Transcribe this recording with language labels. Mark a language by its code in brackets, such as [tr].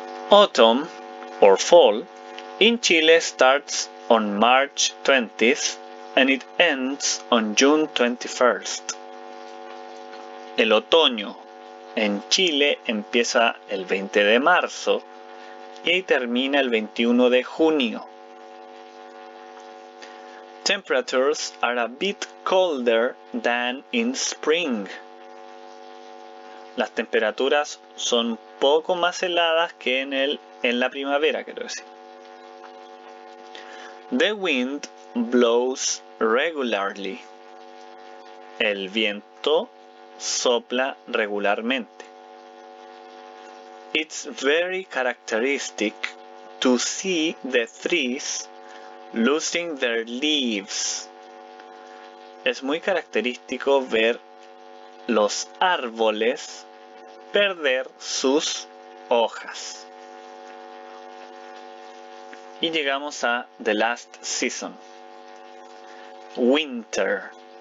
[en] Autumn, or fall, in Chile starts on March 20th and it ends on June 21st. [es] El otoño en Chile empieza el 20 de marzo y termina el 21 de junio. [en] Temperatures are a bit colder than in spring. [es] Las temperaturas son poco más heladas que en la primavera, quiero decir. [en] The wind blows regularly. [es] El viento sopla regularmente. [en] It's very characteristic to see the trees losing their leaves. [es] Es muy característico ver los árboles perder sus hojas. Y llegamos a [en] the last season. [es] Winter.